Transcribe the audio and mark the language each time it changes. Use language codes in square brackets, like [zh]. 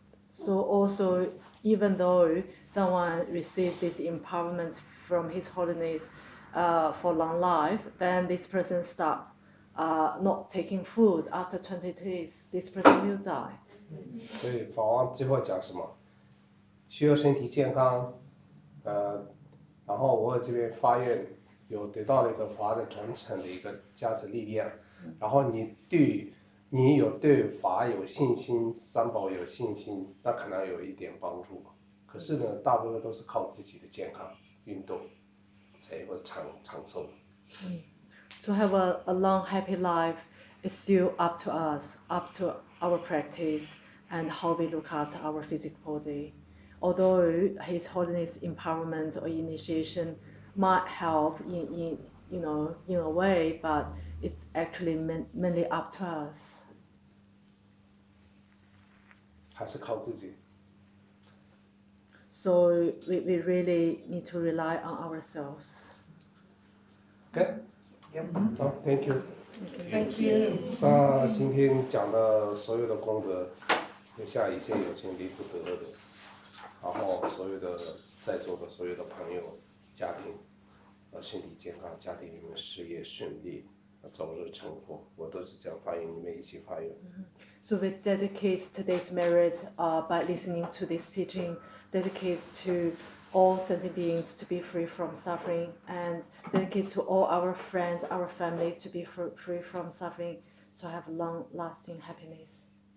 [en] So also, even though someone received this empowerment from His Holiness, for long life, then this person start, not taking food after 20 days, this person will die. [zh] 所以法王最后讲什么？需要身体健康，然后我这边发愿，有得到了一个法的传承的一个加持力量，然后你有对法有信心，三宝有信心，那可能有一点帮助。可是呢，大部分都是靠自己的健康、运动，才能够长寿。 [en] To have a long happy life is still up to us, up to our practice and how we look after our physical body. Although His Holiness empowerment or initiation might help in a way, but it's actually mainly up to us. [zh] 还是靠自己。 [en] So we really need to rely on ourselves. Good. Yep. Oh, thank you. Thank you. [zh] 那今天讲的所有的功德，留下一切有情离苦得乐的。然后所有的在座的所有的朋友家庭身体健康，家庭里面事业顺利，早日成佛，我都是这样发愿，你们一起发愿。 [en] So we dedicate today's merit by listening to this teaching, dedicate to all sentient beings to be free from suffering, and dedicate to all our friends, our family to be free from suffering, so have long lasting happiness.